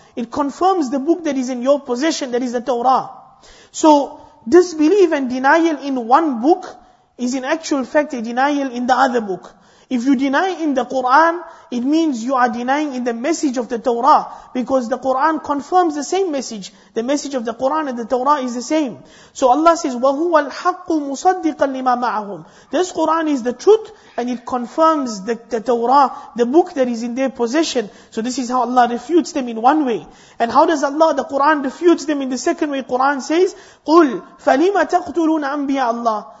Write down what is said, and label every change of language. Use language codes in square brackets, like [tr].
[en] It confirms the book that is in your possession, that is the Torah. So, disbelief and denial in one book is in actual fact a denial in the other book. If you deny in the Qur'an, it means you are denying in the message of the Torah, because the Qur'an confirms the same message. The message of the Qur'an and the Torah is the same. So Allah says, [ar] وَهُوَ الْحَقُّ مُصَدِّقًا لِمَا مَعَهُمْ. [en] This Qur'an is the truth, and it confirms the Torah, the book that is in their possession. So this is how Allah refutes them in one way. And how does Allah, the Qur'an, refutes them in the second way? Qur'an says, [ar] قُلْ فَلِمَ تَقْتُلُونَ أَنْبِيَاءَ اللَّهِ.